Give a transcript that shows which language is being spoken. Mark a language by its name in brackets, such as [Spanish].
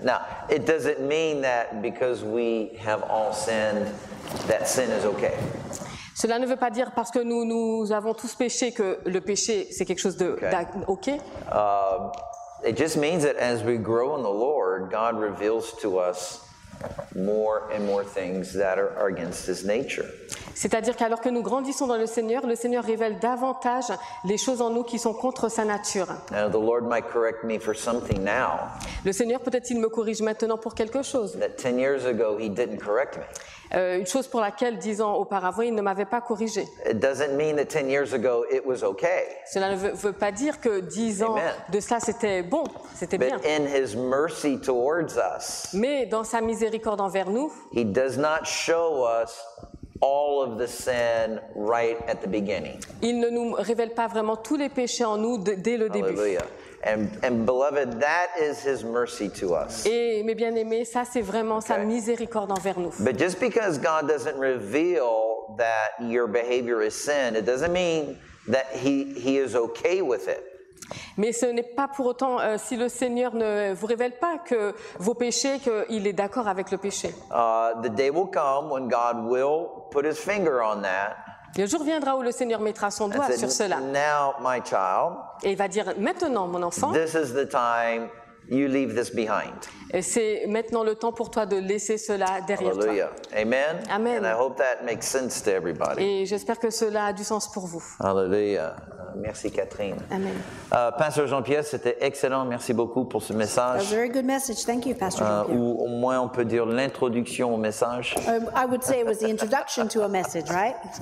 [English] Now, it doesn't mean that because we have all sinned, that sin is okay. [French] Cela ne veut pas dire parce que nous avons tous péché que le péché c'est quelque chose de okay. [English] It just means that as we grow in the Lord, God reveals to us more and more things that are against his nature. [French] C'est-à-dire qu'alors que nous grandissons dans le Seigneur révèle davantage les choses en nous qui sont contre sa nature. [English] Now, the Lord might correct me for something now. [French] Le Seigneur peut-être il me corrige maintenant pour quelque chose. [English] That 10 years ago he didn't correct me. [French] Une chose pour laquelle 10 ans auparavant il ne m'avait pas corrigé. [English] It doesn't mean that 10 years ago it was okay. [French] Cela ne veut pas dire que 10 ans de cela c'était bon, c'était [English] But [French] bien. [English] In his mercy towards us. [French] Mais dans sa miséricorde envers nous, [English] he does not show us all of the sin right at the beginning. [French] Il ne nous révèle pas vraiment tous les péchés en nous dès le [English] Hallelujah. [French] Début. [English] And beloved, that is his mercy to us. [French] Et mes bien-aimés, ça c'est vraiment sa miséricorde envers nous. [English] But just because God doesn't reveal that your behavior is sin, it doesn't mean that he is okay with it. [French] Mais ce n'est pas pour autant si le Seigneur ne vous révèle pas que vos péchés, qu'il est d'accord avec le péché. [English] The day will come when God will put his finger on that. [French] Le jour viendra où le Seigneur mettra son doigt sur cela. [English] Now, my child, [French] et il va dire, maintenant, mon enfant, [English] this is the time you leave this behind. [French] Et c'est maintenant le temps pour toi de laisser cela derrière [English] Hallelujah. [French] Toi. [English] Amen. Amen. And I hope that makes sense to everybody. [French] Et j'espère que cela a du sens pour vous. Alléluia. Merci, Catherine. Amen. Pasteur Jean-Pierre, c'était excellent. Merci beaucoup pour ce message. [English] A very good message. Thank you, Pastor Jean-Pierre. [French] Ou au moins, on peut dire l'introduction au message. [English] I would say it was the introduction to a message, right?